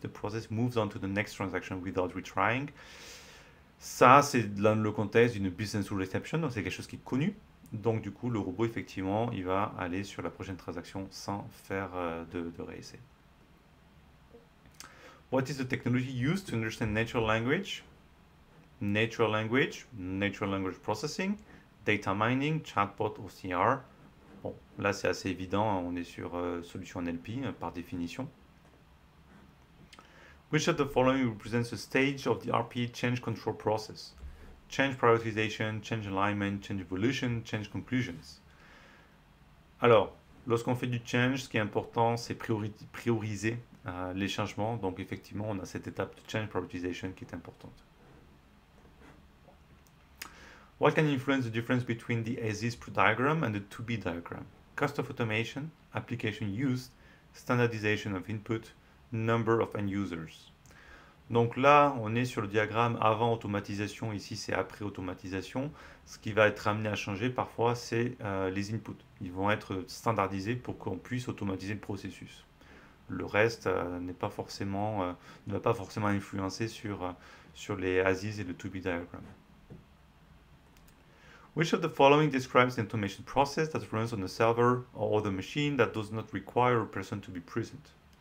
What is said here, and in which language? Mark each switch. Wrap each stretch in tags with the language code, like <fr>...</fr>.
<en>The process moves on to the next transaction without retrying.</en> <fr>Ça, c'est dans le contexte d'une business rule exception. Donc, c'est quelque chose qui est connu. Donc, du coup, le robot, effectivement, il va aller sur la prochaine transaction sans faire de réessai.</fr> <en>What is the technology used to understand natural language? Natural language, natural language processing, data mining, chatbot ou CR.</en> <fr>Bon, là c'est assez évident, on est sur solution NLP par définition.</fr> <en>Which of the following represents a stage of the RPA change control process? Change prioritization, change alignment, change evolution, change conclusions.</en> <fr>Alors, lorsqu'on fait du change, ce qui est important, c'est prioriser. Les changements, donc effectivement, on a cette étape de change prioritization qui est importante.</fr> <en>What can influence the difference between the as-is diagram and the to-be diagram? Cost of automation, application use, standardization of input, number of end users.</en> <fr>Donc là, on est sur le diagramme avant automatisation, ici c'est après automatisation. Ce qui va être amené à changer parfois, c'est les inputs. Ils vont être standardisés pour qu'on puisse automatiser le processus. Le reste n'est pas forcément, ne va pas forcément influencer sur les as-is et le to-be diagram.</fr> <en>Which of the following describes the automation process that runs on the server or other machine that does not require a person to be present?</en>